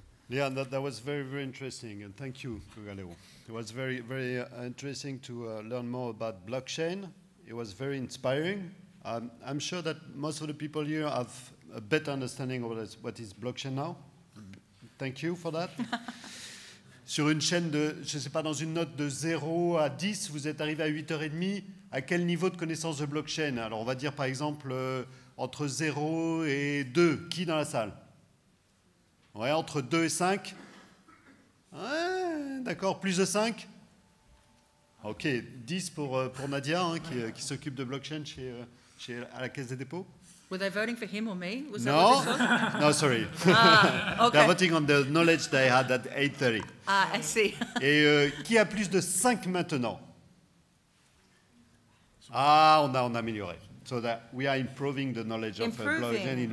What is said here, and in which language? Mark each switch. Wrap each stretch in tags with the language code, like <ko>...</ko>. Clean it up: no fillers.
<en>Yeah, that was very, very interesting, and thank you, Galeo. It was very, very interesting to learn more about blockchain. It was very inspiring. I'm sure that most of the people here have a better understanding of what is blockchain now. Thank you for that.</en> <fr>Sur une chaîne de, je sais pas, dans une note de 0 à 10, vous êtes arrivé à 8h30. À quel niveau de connaissance de blockchain? Alors, on va dire, par exemple, entre 0 et 2, qui dans la salle? Ouais, entre 2 et 5. Ouais, d'accord, plus de 5. Ok, 10 pour Nadia, hein, qui s'occupe de blockchain chez à la Caisse des dépôts.</fr> <en>Were they voting for him or me? Was no, that what no, sorry. Okay. They're voting on the knowledge they had at 8:30. Ah, I see.</en> <fr>Et qui a plus de 5 maintenant? Ah, on a amélioré.</fr> <en>So that we are improving the knowledge of blockchain in</en>